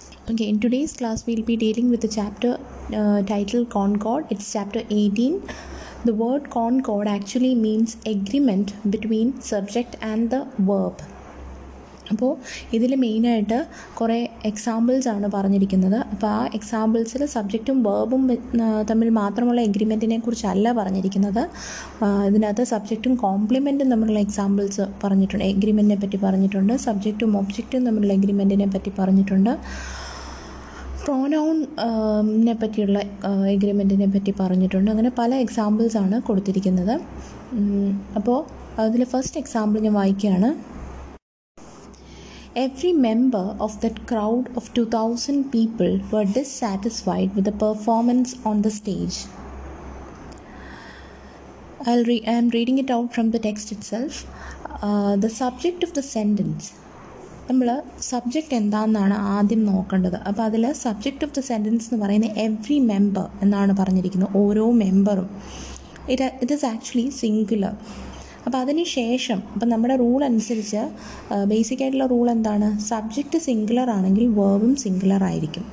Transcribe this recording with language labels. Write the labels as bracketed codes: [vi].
[en] Okay, in today's class, we'll be dealing with the chapter titled Concord. It's chapter 18. The word Concord actually means agreement between subject and the verb. [ml] അപ്പോൾ ഇതിൽ മെയിനായിട്ട് കുറേ examples ആണ് പറഞ്ഞിരിക്കുന്നത്. അപ്പോൾ ആ എക്സാമ്പിൾസിൽ സബ്ജക്റ്റും വേർബും തമ്മിൽ മാത്രമുള്ള എഗ്രിമെൻറ്റിനെ കുറിച്ചല്ല പറഞ്ഞിരിക്കുന്നത്. ഇതിനകത്ത് സബ്ജക്റ്റും കോംപ്ലിമെൻറ്റും തമ്മിലുള്ള എക്സാമ്പിൾസ് പറഞ്ഞിട്ടുണ്ട്, എഗ്രിമെൻറ്റിനെ പറ്റി പറഞ്ഞിട്ടുണ്ട്. സബ്ജക്റ്റും ഒബ്ജക്റ്റും തമ്മിലുള്ള എഗ്രിമെൻറ്റിനെ പറ്റി പറഞ്ഞിട്ടുണ്ട്. പ്രോനൗണിനെ പറ്റിയുള്ള എഗ്രിമെൻറ്റിനെ പറ്റി പറഞ്ഞിട്ടുണ്ട്. അങ്ങനെ പല എക്സാമ്പിൾസ് ആണ് കൊടുത്തിരിക്കുന്നത്. അപ്പോൾ അതിൽ ഫസ്റ്റ് എക്സാമ്പിൾ ഞാൻ വായിക്കുകയാണ്. [en] Every member of that crowd of 2,000 people were dissatisfied with the performance on the stage. I'm reading it out from the text itself. The subject of the sentence. [ml] നമ്മൾ subject എന്താണെന്നാണ് ആദ്യം നോക്കേണ്ടത്. അപ്പോൾ അതിൽ [en] subject of the sentence [ml] എന്ന് പറയുന്നത് every member എന്നാണ് പറഞ്ഞിരിക്കുന്നത്, ഓരോ മെമ്പറും. [en] It is actually singular. [ml] അപ്പോൾ അതിന് ശേഷം, അപ്പോൾ നമ്മുടെ റൂൾ അനുസരിച്ച് ബേസിക് ആയിട്ടുള്ള റൂൾ എന്താണ്, സബ്ജക്റ്റ് സിംഗുലർ ആണെങ്കിൽ വേർബും സിംഗുലർ ആയിരിക്കും.